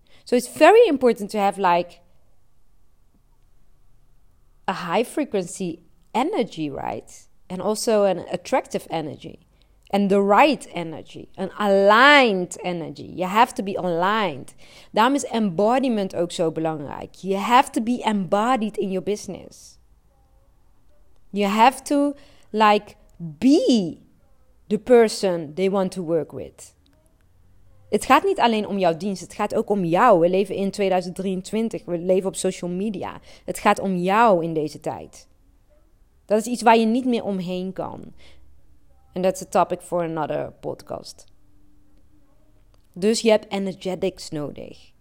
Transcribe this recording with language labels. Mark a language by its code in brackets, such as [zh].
[en] So it's very important to have like a high frequency energy, right? And also an attractive energy. And the right energy. An aligned energy. You have to be aligned. [nl] Daarom is embodiment ook zo belangrijk. [en] You have to be embodied in your business. You have to like be the person they want to work with. [nl] Het gaat niet alleen om jouw dienst, het gaat ook om jou. We leven in 2023, we leven op social media. Het gaat om jou in deze tijd. Dat is iets waar je niet meer omheen kan. [en] And that's a topic for another podcast. [nl] Dus je hebt energetics nodig.